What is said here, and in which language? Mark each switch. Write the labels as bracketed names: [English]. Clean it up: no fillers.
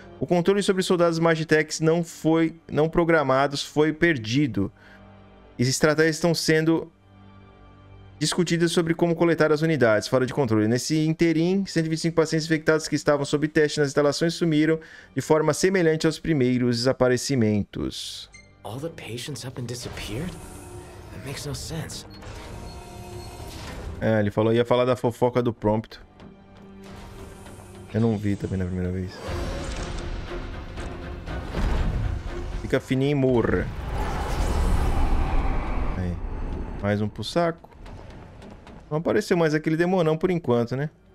[Portuguese] O controle sobre soldados Magitek não foi programados, foi perdido. As estratégias estão sendo discutidas sobre como coletar as unidades fora de controle. Nesse interim, 125 pacientes infectados que estavam sob teste nas instalações sumiram de forma semelhante aos primeiros desaparecimentos. [English] All the patients have been disappeared? That makes no sense. [Portuguese] É, ele falou, ia falar da fofoca do prompt. Eu não vi também na primeira vez. Fica fininho e morra. Aí. Mais um pro saco. Não apareceu mais aquele demonão por enquanto, né?